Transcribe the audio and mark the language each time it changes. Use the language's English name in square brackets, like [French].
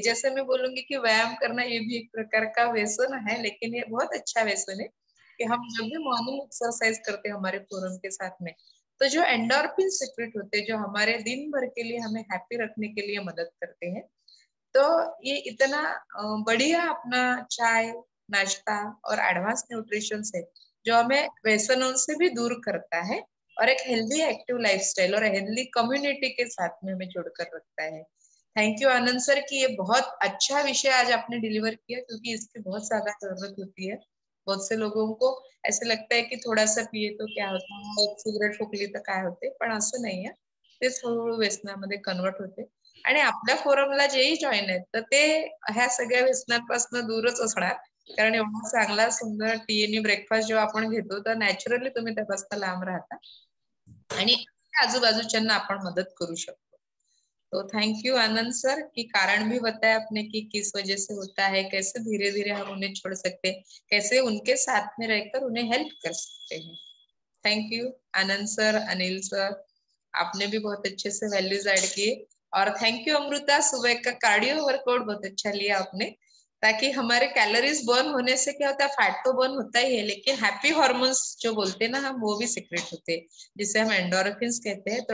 [Hindi] जैसे मैं बोलूंगी कि व्यायाम करना ये भी एक प्रकार का व्यसन है, लेकिन ये बहुत अच्छा व्यसन है कि हम जब भी मॉर्निंग एक्सरसाइज करते हैं हमारे फोरम के साथ में, तो जो एंडोर्फिन सीक्रेट होते हैं जो हमारे दिन भर के लिए हमें हैप्पी रखने के लिए मदद करते हैं, तो ये इतना बढ़िया अपना चाय नाश्ता और एडवांस न्यूट्रिशन है जो हमें व्यसनों से भी दूर करता है और एक हेल्दी एक्टिव लाइफस्टाइल और हेल्दी कम्युनिटी के साथ में हमें जोड़कर रखता है। थैंक यू आनंद सर कि ये बहुत अच्छा विषय आज आपने डिलीवर किया, क्योंकि इसकी बहुत ज्यादा जरूरत होती है। बहुत से लोगों को ऐसे लगता है कि थोड़ा सा पिए तो क्या होता है, सिगरेट फुकली तो क्या होते, [Marathi] पण असं नाही आहे, ते थोडं व्यसनामध्ये कन्वर्ट होते आणि आपल्या फोरमला जेही जॉईन आहेत तर ते ह्या सगळ्या व्यसनांपासून दूरच असणार, कारण एवढा चांगला सुंदर टी आणि ब्रेकफास्ट जेव्हा आपण घेतो तर नॅचरली तुम्ही त्यापासून लांब राहता आणि आजूबाजूच्यांना आपण मदत करू शकतो। [Hindi] तो थैंक यू आनंद सर कि कारण भी बताया आपने कि किस वजह से होता है, कैसे धीरे धीरे हम उन्हें छोड़ सकते हैं, कैसे उनके साथ में रहकर उन्हें हेल्प कर सकते हैं। Thank you Anand sir, Anil sir, आपने भी बहुत अच्छे से वैल्यूज ऐड किए, और थैंक यू अमृता, सुबह का कार्डियो वर्कआउट बहुत अच्छा लिया आपने, ताकि हमारे कैलोरीज बर्न होने से क्या होता है, फैट तो बर्न होता ही है लेकिन हैप्पी हॉर्मोन्स जो बोलते हैं ना हम, वो भी सीक्रेट होते हैं जिसे हम एंडोरफिन्स कहते हैं।